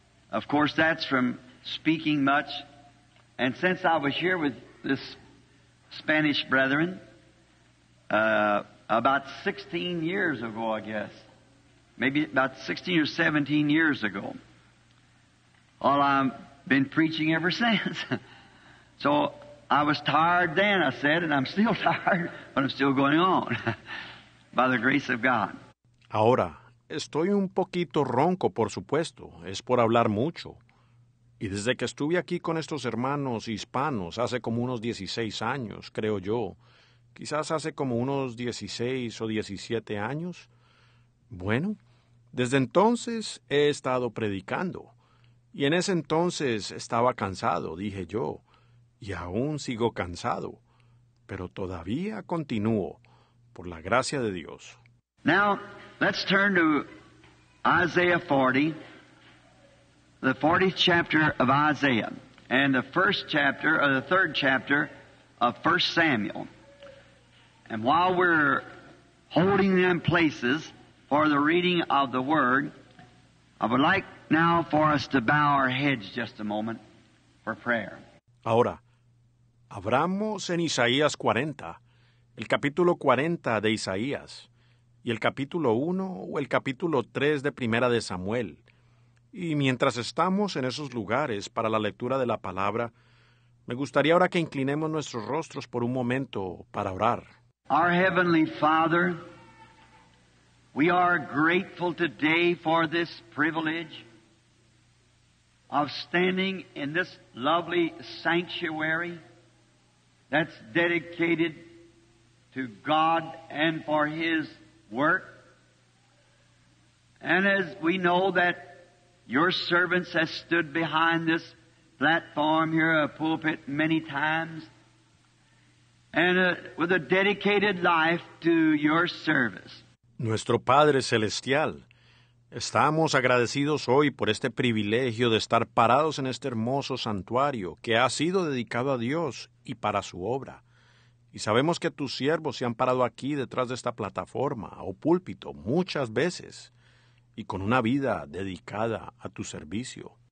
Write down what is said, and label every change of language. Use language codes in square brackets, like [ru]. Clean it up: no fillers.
[en] Of course, that's from speaking much. And since I was here with this Spanish brethren about 16 years ago, I guess, maybe about 16 or 17 years ago, well, I've been preaching ever since. So I was tired then, I said, and I'm still tired, but I'm still going on by the grace of God. [es] Ahora. Estoy un poquito ronco, por supuesto. Es por hablar mucho. Y desde que estuve aquí con estos hermanos hispanos, hace como unos 16 años, creo yo, quizás hace como unos 16 o 17 años, bueno, desde entonces he estado predicando. Y en ese entonces estaba cansado, dije yo, y aún sigo cansado. Pero todavía continúo, por la gracia de Dios. [en] Now, let's turn to Isaiah 40, the 40th chapter of Isaiah, and the first chapter, or the third chapter of 1 Samuel. And while we're holding them places for the reading of the Word, I would like now for us to bow our heads just a moment for prayer. [es] Ahora, abramos en Isaías 40, el capítulo 40 de Isaías. Y el capítulo 1 o el capítulo 3 de Primera de Samuel. Y mientras estamos en esos lugares para la lectura de la palabra, me gustaría ahora que inclinemos nuestros rostros por un momento para orar. [en] Our Heavenly Father, we are grateful today for this privilege of standing in this lovely sanctuary that's dedicated to God and for His work. And as we know that your servants have stood behind this platform here, a pulpit, many times, and with a dedicated life to your service. [es] Nuestro Padre Celestial, estamos agradecidos hoy por este privilegio de estar parados en este hermoso santuario que ha sido dedicado a Dios y para su obra. Y sabemos que tus siervos se han parado aquí detrás de esta plataforma o púlpito muchas veces y con una vida dedicada a tu servicio.